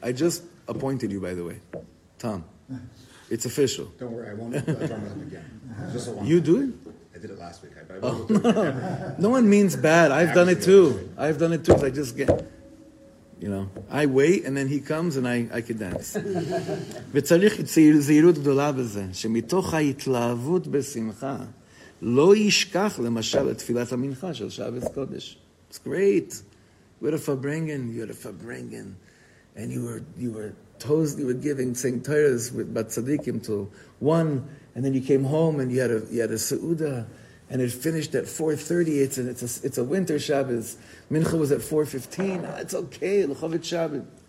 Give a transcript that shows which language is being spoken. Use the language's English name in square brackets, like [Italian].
[English] I just appointed you, by the way. Tom. It's official. Don't worry, I won't turn it up again. You do it? I I did it last week. No one means bad. I've done it too. I just get, you know, I wait and then he comes and I could dance. [Hebrew] וצריך זהירות גדולה בזה, שמתוך ההתלהבות בשמחה, לא ישכח למשל את תפילת המנחה של שבת קודש. [English] It's great. You had a fabringen. And you were giving, saying Torahs with Batzadikim to one, and then you came home and you had a seuda, and it finished at 4:30. It's a winter Shabbos. Mincha was at 4:15. It's okay. L'chovit Shabbat.